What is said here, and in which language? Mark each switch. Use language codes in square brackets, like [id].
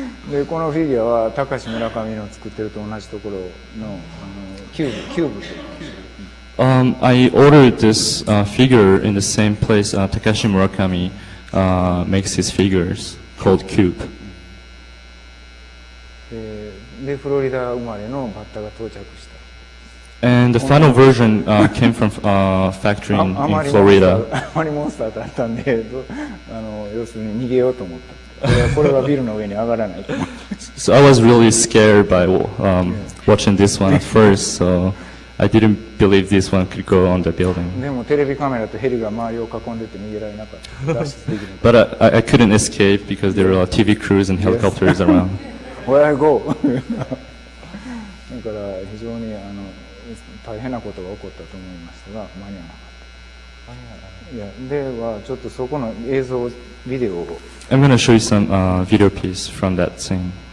[ja] で、このフィギュアは高橋村上の作ってると同じところの、キューブ。 [en] I ordered this figure in the same place Takashi Murakami makes his figures. Called Cube. [ja] で、フロリダ生まれのバッタが到着した。 [en] And the final version came from a factory in Florida. [ja] あまりモンスターだったんで、要するに逃げようと思った。これはビルの上に上がらない。 [en] So I was really scared by watching this one at first, so I didn't believe this one could go on the building. [ja] でもテレビカメラとヘリが周りを囲んでて逃げられなかった。 [en] But I couldn't escape because there are TV crews and helicopters around. Where I go? [ja] だから非常に大変なことが起こったと思いましたが、間に合わなかった。ではちょっとそこの映像、ビデオを。 [en] I'm going to show you some video piece from that scene.